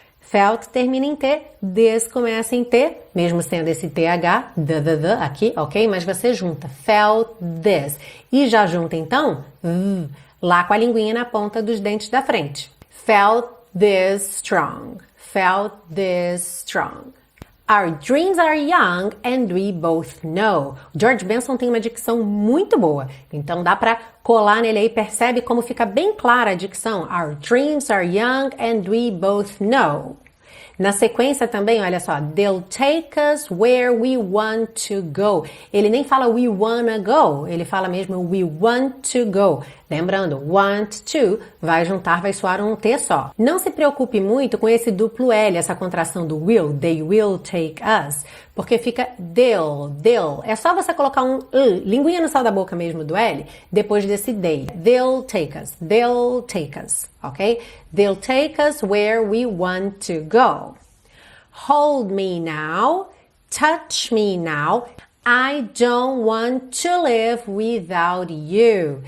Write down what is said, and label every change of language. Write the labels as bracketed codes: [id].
[pt] Felt termina em T, this começa em T, mesmo sendo esse TH, the, aqui, ok? Mas você junta, felt this. E já junta então, lá com a linguinha na ponta dos dentes da frente. [en] Felt this strong, felt this strong. Our dreams are young and we both know. [pt] George Benson tem uma dicção muito boa, então dá para colar nele aí, percebe como fica bem clara a dicção. [en] Our dreams are young and we both know. [pt] Na sequência também, olha só, [en] they'll take us where we want to go. [pt] Ele nem fala we wanna go, ele fala mesmo we want to go. Lembrando, want to vai juntar, vai soar um T só. Não se preocupe muito com esse duplo L, essa contração do will, they will take us, porque fica they'll. É só você colocar um linguinha no sal da boca mesmo do L, depois desse they. [en] They'll take us, ok? They'll take us where we want to go. Hold me now, touch me now, I don't want to live without you.